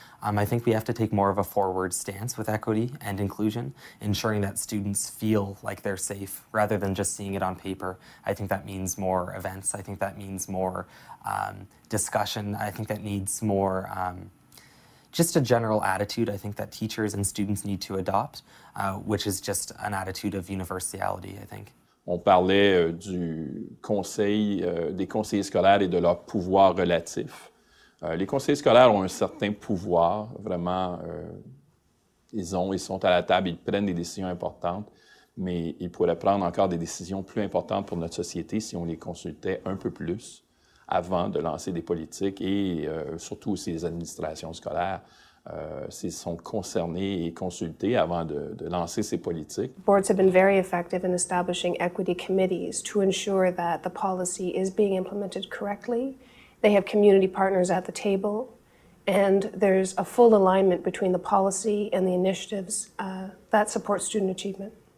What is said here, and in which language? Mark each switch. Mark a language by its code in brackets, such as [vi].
[en] I think we have to take more of a forward stance with equity and inclusion, ensuring that students feel like they're safe rather than just seeing it on paper. I think that means more events. I think that means more discussion. I think that needs more just a general attitude, I think, that teachers and students need to adopt, which is just an attitude of universality, I think. [fr] On parlait du conseil, des conseillers scolaires et de leur pouvoir relatif. Les conseils scolaires ont un certain pouvoir, vraiment, ils sont à la table, ils prennent des décisions importantes, mais ils pourraient prendre encore des décisions plus importantes pour notre société si on les consultait un peu plus avant de lancer des politiques et surtout si les administrations scolaires s'ils sont concernés et consultés avant de lancer ces politiques. [en] Boards have been very effective in establishing equity committees to ensure that the policy is being implemented correctly. They have community partners at the table, and there's a full alignment between the policy and the initiatives that support student achievement.